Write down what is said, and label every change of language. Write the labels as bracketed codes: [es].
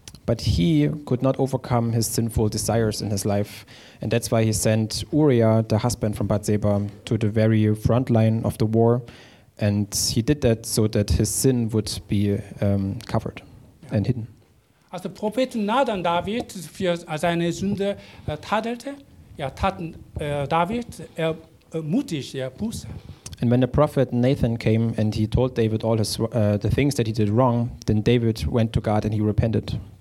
[en] But he could not overcome his sinful desires in his life, and that's why he sent Uriah, the husband from Bathsheba, to the very front line of the war, and he did that so that his sin would be covered and hidden. [de] Als der Prophet Nathan David für seine Sünde tadelte, tat David mutig Buße. [en] And when the prophet Nathan came and he told David all his the things that he did wrong, then David went to God and he repented.